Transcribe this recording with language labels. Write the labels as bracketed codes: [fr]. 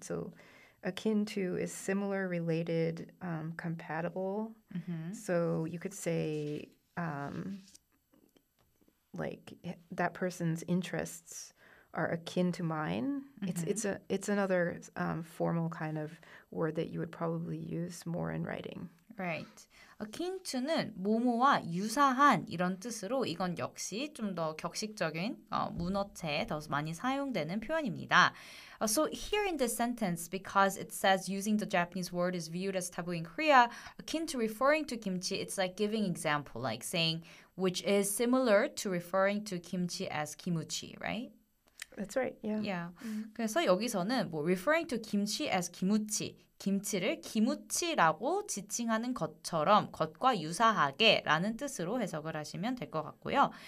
[en] So akin to is similar, related, compatible. Mm-hmm. So you could say, like that person's interests are akin to mine. Mm-hmm. It's another formal kind of word that you would probably use more in writing. Right. [ko] akin to는 모모와 유사한 이런 뜻으로 이건 역시 좀 더 격식적인 문어체에 더 많이 사용되는 표현입니다. [en] So here in this sentence, because it says using the Japanese word is viewed as taboo in Korea, akin to referring to kimchi, it's like giving example, like saying which is similar to referring to kimchi as kimuchi, right? That's right, yeah. [ko] Yeah. Mm-hmm. 그래서 여기서는 뭐 [en] referring to kimchi as kimuchi, [ko] 김치를 김우치라고 지칭하는 것처럼 것과 유사하게 라는 뜻으로 해석을 하시면 될 것 같고요.